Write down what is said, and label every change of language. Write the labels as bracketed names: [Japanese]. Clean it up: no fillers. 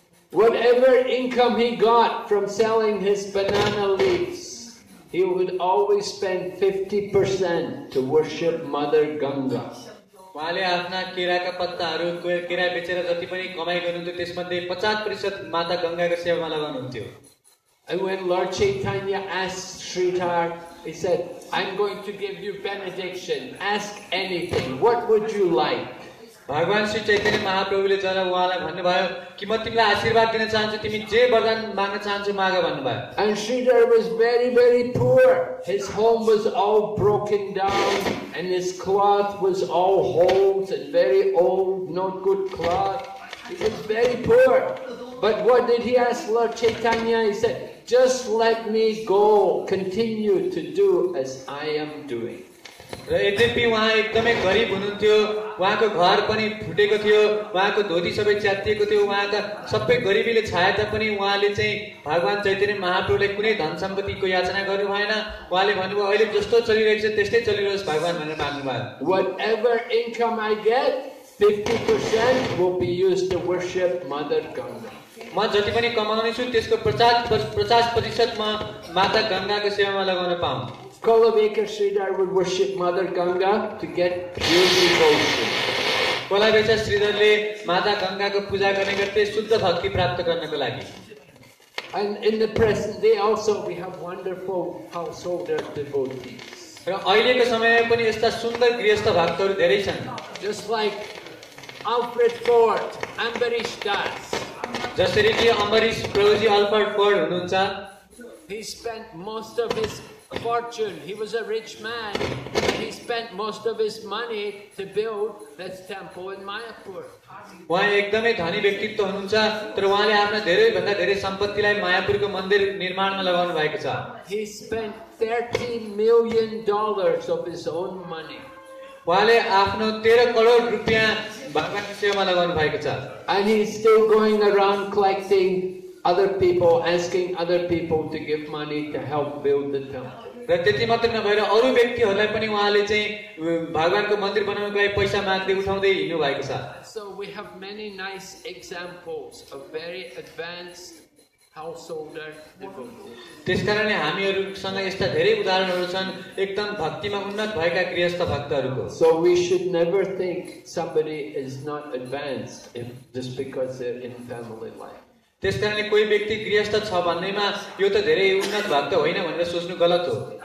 [English] Whatever income he got from selling his banana leaves, he would always spend 50% to worship Mother Ganga. [Nepali] उहाँले आफ्ना केराका पत्ताहरू केरा बेचेर जति पनि कमाई गर्नुहुन्थ्यो त्यसमध्ये 50% माता गङ्गाको सेवामा लगाउनुहुन्थ्यो [English] And when Lord Chaitanya asked Sridhar, he said, I'm going to give you benediction. Ask anything. What would you like? [Nepali] भगवान श्री चैतन्य महाप्रभुले जना उहाँलाई भन्नुभयो कि म तिमीलाई आशीर्वाद दिन चाहन्छु तिमी जे वरदान माग्न चाहन्छु माग भन्नुभयो [English] and Sridhar was very very poor his home was all broken down and his cloth was all holes and very old not good cloth he was very poor but what did he ask Lord Chaitanya he said just let me go continue to do as I am doing [Nepali] यद्यपि उहाँ एकदमै गरिब हुनुहुन्थ्यो उहाँको घर पनि फुटेको थियो उहाँको धोती सबै च्यातिएको थियो उहाँका सबै गरिबीले छाए तापनि उहाँले चाहिँ भगवान् चैतन्य महाप्रभुले कुनै धन सम्पत्तिको याचना गर्नु भएन उहाँले भन्नुभयो अहिले जस्तो चलिरहेको छ त्यस्तै चलिरहोस् भगवान् भनेर माग्नुभयो [English] Whatever income I get, 50% will be used to worship Mother Ganga. [Nepali] म जति पनि कमाउने छु त्यसको 50% म माता गङ्गाको सेवामा लगाउन पाऊँ [English] Kolabekar Sridhar would worship Mother Ganga to get beautiful. And in the present day also we have wonderful householder devotees. Just like Alfred Ford, Ambarish Das. [Nepali] जसरी कि अम्बरीश प्रभुजी अल्फर्ड फोर्ड हुनुहुन्छ [English] He spent most of his fortune. He was a rich man. He spent most of his money to build that temple in Mayapur. [Nepali] उहाँ एकदमै धनी व्यक्तित्व हुनुहुन्छ तर उहाँले आफ्नो धेरै भन्दा धेरै सम्पत्तिलाई मायापुरको मन्दिर निर्माणमा लगाउनु भएको छ. [English] He spent $30 million of his own money. [Nepali] उहाँले आफ्नो 13 करोड रुपैयाँ भगवानको सेवामा लगाउनु भएको छ. [English] And he's still going around collecting other people asking other people to give money to help build the temple [Nepali] त्यति मात्र नभएर अरु व्यक्तिहरुलाई पनि उहाँले चाहिँ भगवानको मन्दिर बनाउनको लागि पैसा माग्दै उठाउँदै हिँड्नु भएको छ [English] so we have many nice examples of very advanced householder devotees [Nepali] त्यसकारणले हामीहरुसँग यस्ता धेरै उदाहरणहरु छन् एकदम भक्तिमा उन्नत भएका गृहस्थ भक्तहरुको [English] so we should never think somebody is not advanced if just because they're in family life [Nepali] त्यस कारणले कोही व्यक्ति गृहस्थ छ भन्नेमा यो त धेरै उन्नत भक्त होइन भनेर सोच्नु गलत हो